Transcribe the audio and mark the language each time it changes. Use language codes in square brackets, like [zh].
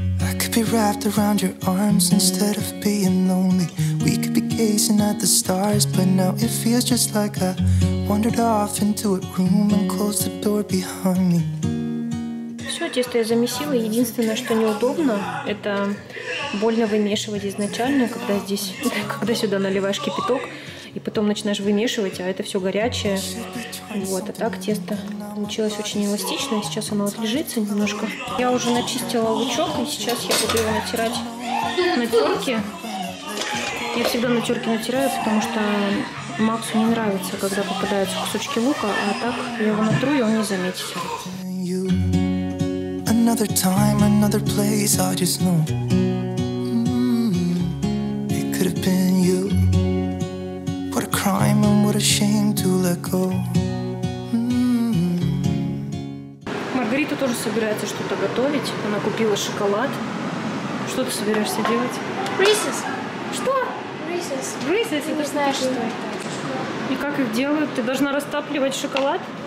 [en] I could be wrapped around your arms instead of being lonely. We could be gazing at the stars, but now it feels just like I wandered off into a room and closed the door behind me. [ru] Все, тесто я замесила. Единственное, что неудобно, это больно вымешивать изначально, когда сюда наливаешь кипяток, и потом начинаешь вымешивать, а это все горячее. Вот, а так тесто получилось очень эластичное. Сейчас оно отлежится немножко. Я уже начистила лучок, и сейчас я буду его натирать на терке. Я всегда на терке натираю, потому что Максу не нравится, когда попадаются кусочки лука, а так я его натру, и он не заметит. [en] Another time, another place, I just know. It could have been you. What a crime and what a shame to let go. [ru] Маргарита тоже собирается что-то готовить. Она купила шоколад. Что ты собираешься делать? [en] Reese's. [ru] Что? [en] Reese's. [ru] грызть, если ты знаешь, что это. И как их делают? Ты должна растапливать шоколад?